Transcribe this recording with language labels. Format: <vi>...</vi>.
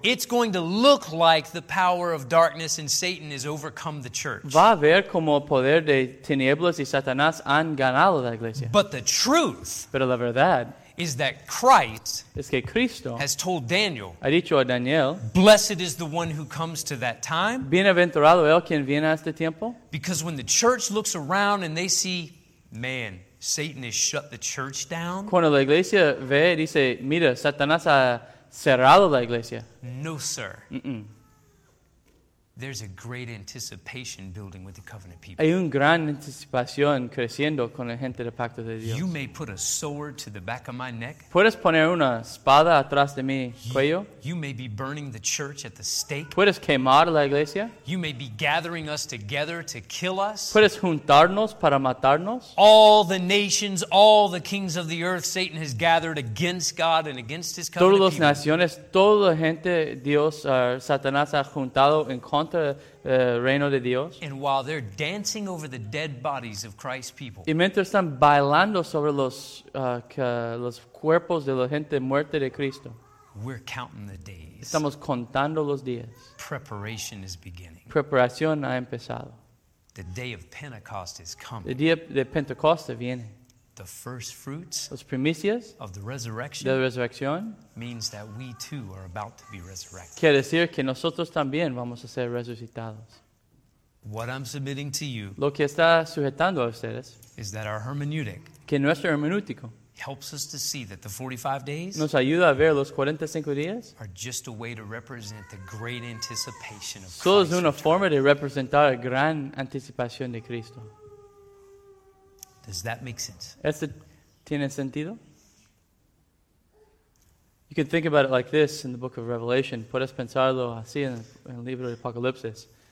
<en>it's going to look like the power of darkness and Satan has overcome the church,</en> <es>va a ver como el poder de tinieblas y Satanás han ganado la iglesia,</es> <en>but the truth,</en> <es>pero la verdad</es> <en>is that Christ</en> <es>es que Cristo</es> <en>has told Daniel,</en> <es>ha dicho a Daniel,</es> <en>blessed is the one who comes to that time.</en> <es>Bienaventurado el quien viene a este tiempo.</es> <en>Because when the church looks around and they see, man, Satan has shut the church down.</en> <es>Cuando la iglesia ve y dice, mira, Satanás ha cerrado la iglesia.</es> <en>No, sir. Mm-mm. There's a great anticipation building with the covenant people.</en> <es>Hay un gran anticipación creciendo con la gente del pacto de Dios.</es> <en>You may put a sword to the back of my neck.</en> <es>Puedes poner una espada atrás de mi cuello.</es> <en>You may be burning the church at the stake.</en> <es>Puedes quemar la iglesia.</es> <en>You may be gathering us together to kill us.</en> <es>Puedes juntarnos para matarnos.</es> <en>All the nations, all the kings of the earth, Satan has gathered against God and against his covenant people.</en> <es>Todas las naciones, toda la gente, Dios, Satanás ha juntado en contra el reino de Dios.</es> <en>And while they're dancing over the dead bodies of Christ's people,</en> <es>y mientras están bailando sobre los cuerpos de la gente muerta de Cristo,</es> <en>we're counting the days.</en> <es>Estamos contando los días.</es> <en>Preparation is beginning.</en> <es>Preparación ha empezado.</es> <en>The day of Pentecost is coming.</en> <es>El día de Pentecoste viene.</es> <en>the first fruits,</en> <es>las primicias,</es> <en>of the resurrection,</en> <es>de la resurrección,</es> <en>means that we too are about to be resurrected.</en> <es>Quiere decir que nosotros también vamos a ser resucitados.</es> <en>What I'm submitting to you,</en> <es>lo que está sujetando a ustedes,</es> <en>is that our hermeneutic,</en> <es>que nuestro hermenéutico,</es> <en>helps us to see that the 45 days,</en> <es>nos ayuda a ver los 45 días,</es> <en>are just a way to represent the great anticipation of Christ.</en> <es>Solo es una forma de representar la gran anticipación de Cristo.</es> <en>Does that make sense?</en> <es>¿Esto tiene sentido?</es> <en>You can think about it like this in the book of Revelation.</en> <es>Puedes pensarlo así en el libro de Apocalipsis.</es>